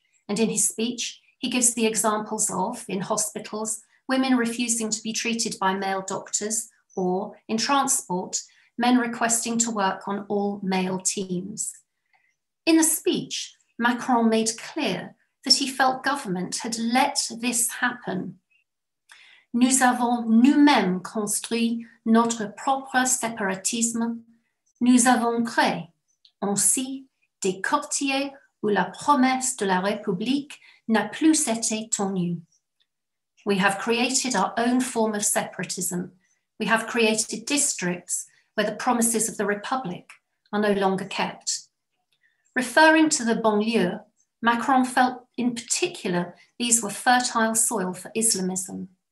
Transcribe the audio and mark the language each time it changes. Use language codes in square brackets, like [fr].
[en] And in his speech, he gives the examples of, in hospitals, women refusing to be treated by male doctors, or in transport, men requesting to work on all male teams. In the speech, Macron made clear that he felt government had let this happen. [fr] Nous avons nous-mêmes construit notre propre séparatisme. Nous avons créé ainsi des quartiers où la promesse de la République n'a plus été tenue. [en] We have created our own form of separatism. We have created districts where the promises of the Republic are no longer kept. Referring to the banlieue, Macron felt in particular these were fertile soil for Islamism.